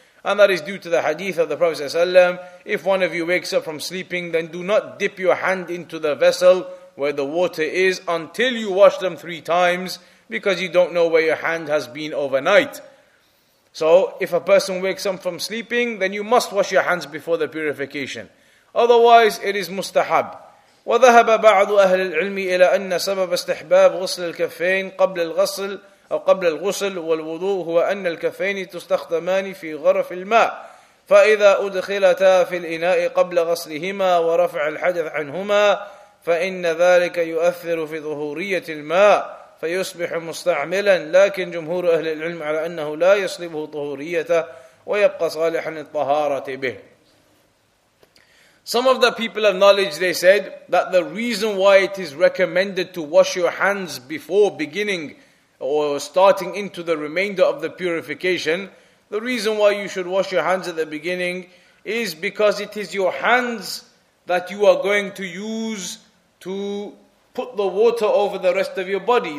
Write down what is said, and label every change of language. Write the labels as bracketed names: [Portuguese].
[English] And that is due to the hadith of the Prophet ﷺ. If one of you wakes up from sleeping, then do not dip your hand into the vessel where the water is until you wash them three times, because you don't know where your hand has been overnight. So if a person wakes up from sleeping, then you must wash your hands before the purification. Otherwise, it is mustahab. [Arabic] وَذَهَبَ بَعْضُ أَهْلِ الْعِلْمِ إِلَىٰ أَنَّ سَبَبَ اسْتِحْبَابُ غُسْلِ الْكَفَّيْنِ قَبْلِ الْغَسْلِ أو قبل الغسل والوضوء هو أن الكفين تستخدمان في غرف الماء فإذا أدخلتا في الإناء قبل غسلهما ورفع الحدث عنهما فإن ذلك يؤثر في ظهورية الماء فيصبح مستعملا لكن جمهور أهل العلم على أنه لا يصلبه طهوريته ويبقى صالحا للطهارة به. [English] Some of the people of knowledge, they said that the reason why it is recommended to wash your hands before beginning or starting into the remainder of the purification, the reason why you should wash your hands at the beginning is because it is your hands that you are going to use to put the water over the rest of your body.